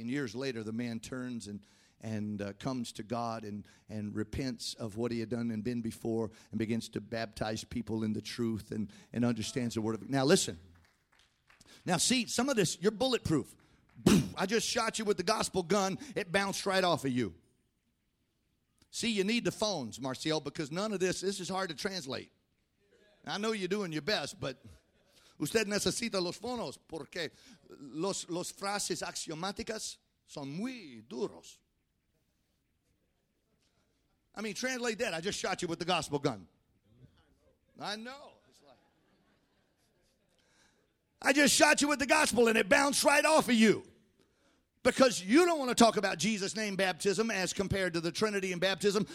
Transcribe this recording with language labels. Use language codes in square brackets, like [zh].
[en] And years later, the man turns and comes to God and repents of what he had done and been before and begins to baptize people in the truth and understands the word of God. Now listen. Now see, some of this, you're bulletproof. I just shot you with the gospel gun. It bounced right off of you. See, you need the phones, Marcel, because none of this is hard to translate. I know you're doing your best, but [es] usted necesita los fonos porque los frases axiomáticas son muy duros. [en] I mean, translate that. I just shot you with the gospel gun. I know. It's like, I just shot you with the gospel and it bounced right off of you. Because you don't want to talk about Jesus' name baptism as compared to the Trinity and baptism.